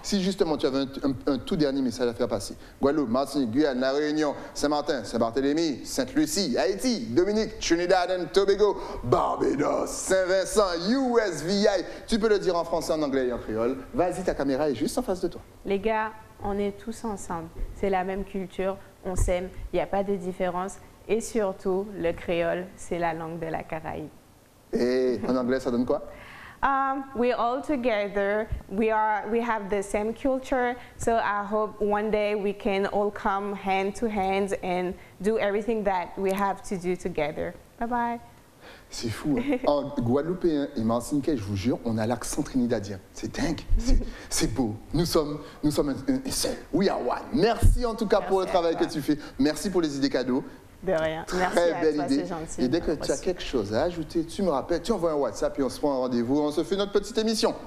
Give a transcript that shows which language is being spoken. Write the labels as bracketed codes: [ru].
[fr] Si justement tu avais un tout dernier message à faire passer, Guadeloupe, Martinique, Guyane, La Réunion, Saint-Martin, Saint-Barthélemy, Sainte-Lucie, Haïti, Dominique, Trinidad and Tobago, Barbados, Saint-Vincent, USVI, tu peux le dire en français, en anglais et en créole. Vas-y, ta caméra est juste en face de toi. Les gars, on est tous ensemble. C'est la même culture, on s'aime, il n'y a pas de différence. Et surtout, le créole, c'est la langue de la Caraïbe. Et en anglais, ça donne quoi? [en] We're all together. We have the same culture. So I hope one day we can all come hand to hand and do everything that we have to do together. Bye-bye. [fr] C'est fou. Hein? En Guadeloupéen et Martiniquais, je vous jure, on a l'accent trinidadien. C'est dingue. C'est beau. Nous sommes un seul. [en] We are one. [fr] Merci en tout cas pour le travail que tu fais. Merci pour les idées cadeaux. De rien. Très merci belle à toi, idée. C'est gentil. Et dès que tu as quelque chose à ajouter, tu me rappelles, tu envoies un WhatsApp et on se prend un rendez-vous, on se fait notre petite émission.